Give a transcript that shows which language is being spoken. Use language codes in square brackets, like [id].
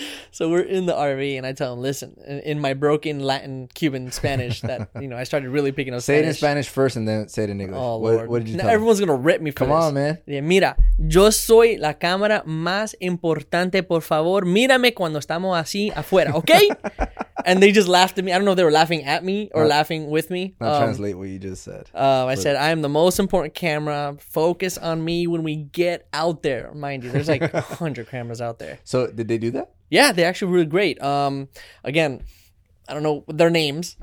[en] So we're in the RV and I tell him, listen, in my broken Latin Cuban Spanish that, you know, I started really picking up Spanish. Say it in Spanish first and then say it in English. Oh, Lord. What did you tell Everyone's going to rip me for Come this. Come on, man. [es] Yeah, mira, yo soy la cámara más importante, por favor. Mírame cuando estamos así afuera, okay? [en] And they just laughed at me. I don't know if they were laughing at me or laughing with me. Now translate what you just said. I said, I am the most important camera. Focus on me when we get out there. Mind you, there's like 100 cameras out there. So did they do that? Yeah, they actually were great. Again, I don't know their names.